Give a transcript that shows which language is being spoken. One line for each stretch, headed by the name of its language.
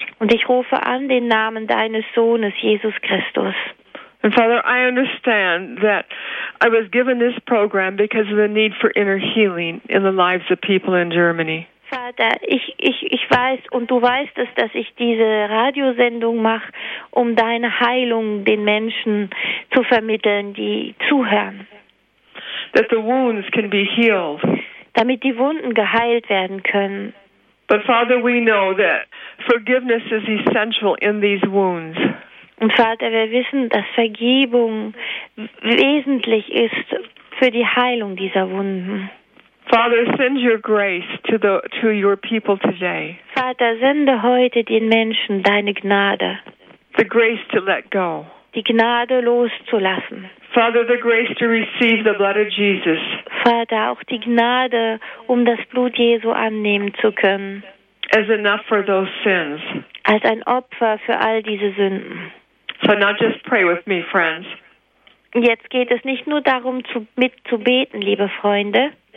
German: Und ich rufe an den Namen deines Sohnes, Jesus Christus.
English: And Father, I understand that I was given this program because of the need for inner healing in the lives of people in Germany.
German: Vater, ich weiß und du weißt es, dass ich diese Radiosendung mache, um deine Heilung den Menschen zu vermitteln, die zuhören.
English: That the wounds can be healed.
German: Damit die Wunden geheilt werden können.
English: But Father, we know that forgiveness is essential in these wounds.
German: Und Vater, wir wissen, dass Vergebung wesentlich ist für die Heilung dieser Wunden.
English: Father, send your grace to your people today.
German: Vater, sende heute den Menschen deine Gnade.
English: The grace to let go.
German: Die Gnade loszulassen.
English: Father, the grace to receive the blood of Jesus.
German: Vater, auch die Gnade, um das Blut Jesu annehmen zu können.
English: As enough for those sins.
German: Als ein Opfer für all diese Sünden.
English: So now just pray with me, friends.
German: Jetzt geht es nicht nur darum, mitzubeten, liebe Freunde.